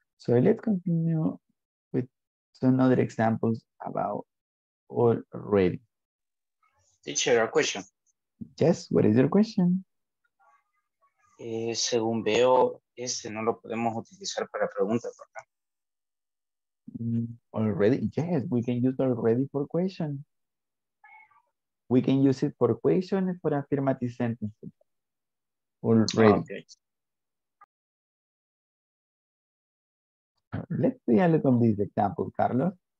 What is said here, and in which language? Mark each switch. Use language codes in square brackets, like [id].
[en] So let's continue with some other examples about already. Teacher, a question. Yes, what is your question? [es] Según veo, este no lo podemos utilizar para preguntas, ¿verdad? [en] Already, yes, we can use already for question. We can use it for questions and for affirmative sentences. Already. Okay. Let's see a look of this example, Carlos.